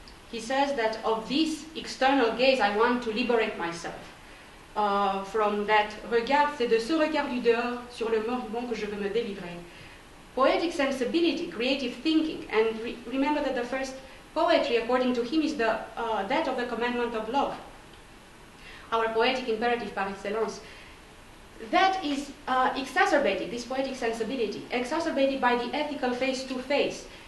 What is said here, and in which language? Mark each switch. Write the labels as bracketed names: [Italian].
[English] He says that of this external gaze, I want to liberate myself from that regard. [French] C'est de ce regard du dehors sur le mot vivant que je veux me délivrer. [English] Poetic sensibility, creative thinking, and remember that the first poetry, according to him, is the that of the commandment of love, our poetic imperative par excellence. That is exacerbated, this poetic sensibility, exacerbated by the ethical face-to-face.